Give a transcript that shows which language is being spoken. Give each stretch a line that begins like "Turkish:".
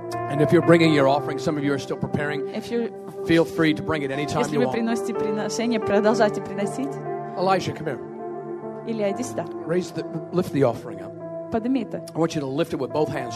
English: And if you're bringing your offering, some of you are still preparing, feel free to bring it anytime you want.
Russian: Если вы приносите приношение, продолжайте приносить.
English: Elijah, come here.
Russian: Илья, иди сюда.
English: Lift the offering up. I want you to lift it with both hands.